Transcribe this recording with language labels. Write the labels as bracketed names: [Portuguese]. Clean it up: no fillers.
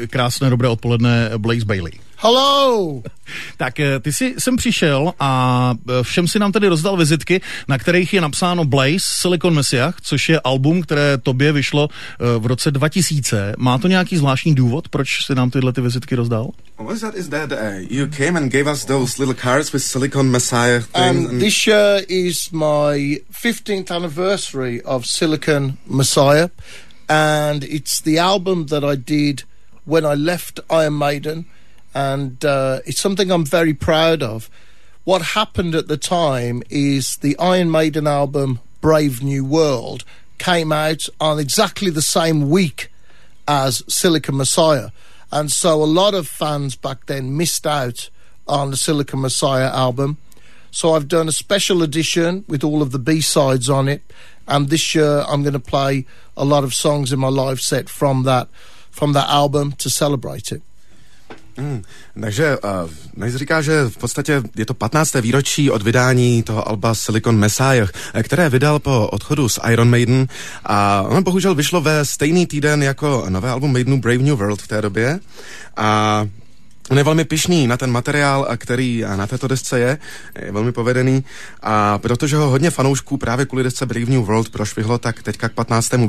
[Czech] Krásné, dobré odpoledne, Blaise Bailey. [English] Hello! [Czech] Tak ty jsi sem přišel a všem si nám tady rozdal vizitky, na kterých je napsáno Blaise Silicon Messiah, což je album, které tobě vyšlo v roce 2000. Má to nějaký zvláštní důvod, proč jsi nám tyhle ty vizitky rozdal? [English] What is that? Is that you came and gave us those little cards with Silicon Messiah thing? This year is my 15th anniversary of Silicon Messiah, and it's the album that I did when I left Iron Maiden. And it's something I'm very proud of. What happened at the time is the Iron Maiden album Brave New World came out on exactly the same week as Silicon Messiah. And so a lot of fans back then missed out on the Silicon Messiah album. So I've done a special edition with all of the B-sides on it. And this year I'm going to play a lot of songs in my live set from that album to celebrate it. [Czech] Takže než říká, že v podstatě je to 15. výročí od vydání toho alba Silicon Messiah, které vydal po odchodu z Iron Maiden, a ono bohužel vyšlo ve stejný týden jako nové album Maidenu Brave New World v té době. A on je velmi pyšný na ten materiál, který na této desce je, je velmi povedený, a protože ho hodně fanoušků právě kvůli desce Brave New World prošvihlo, tak teďka k 15.